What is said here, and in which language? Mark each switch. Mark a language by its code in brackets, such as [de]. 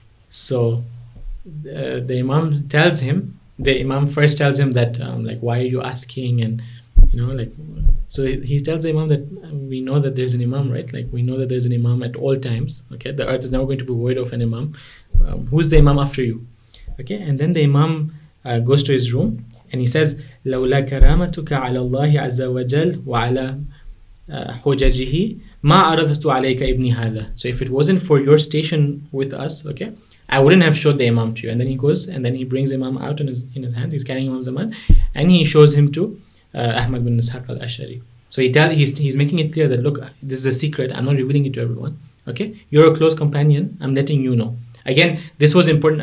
[en] So the Imam tells him, the Imam first tells him that, why are you asking? And, so he tells the Imam that we know that there's an Imam, right? Like, we know that there's an Imam at all times, okay? The earth is never going to be void of an Imam. Who's the Imam after you? Okay, and then the Imam goes to his room and he says, [ar] لَوْلَا كَرَامَتُكَ عَلَى اللَّهِ عَزَّ وَجَلْ وَعَلَى حُجَجِهِ مَا أَرَضَتُ عَلَيْكَ إِبْنِ هَذَا. [en] So if it wasn't for your station with us, okay, I wouldn't have showed the Imam to you. And then he goes and then he brings Imam out in his hands. He's carrying Imam Zaman and he shows him to Ahmad bin Ishaq al-Ashari. So he's making it clear that, look, this is a secret. I'm not revealing it to everyone. Okay, you're a close companion. I'm letting you know. Again, this was important.